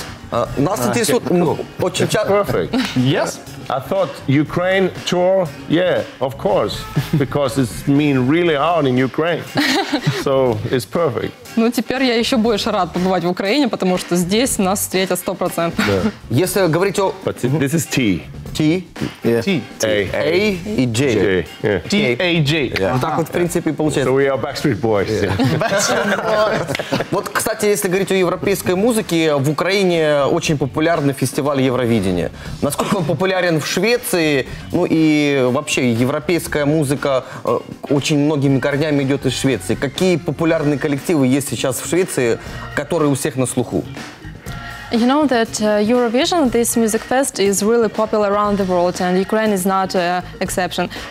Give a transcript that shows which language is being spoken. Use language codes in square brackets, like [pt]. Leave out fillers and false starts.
[ru] Нас интересует очень часто... [en] Perfect. Yes. I thought Ukraine tour, yeah, of course, because it's mean really hard in Ukraine. So it's perfect. [ru] Ну, теперь я еще больше рад побывать в Украине, потому что здесь нас встретят 100%. Если говорить о... [en] But this is T. T? Yeah. T. [ru] A. и J. [en] T, A, J. [ru] Так вот, в принципе, получается. [en] So we are Backstreet Boys. [ru] Вот, кстати, если говорить о европейской музыке, в Украине очень популярный фестиваль Евровидения. Насколько он популярен в Швеции? Ну и вообще, европейская музыка очень многими корнями идет из Швеции. Какие популярные коллективы есть сейчас в Швеции, которые у всех на слуху? [en] You know that Eurovision, this music fest, is really popular around the world, and Ukraine is not an exception.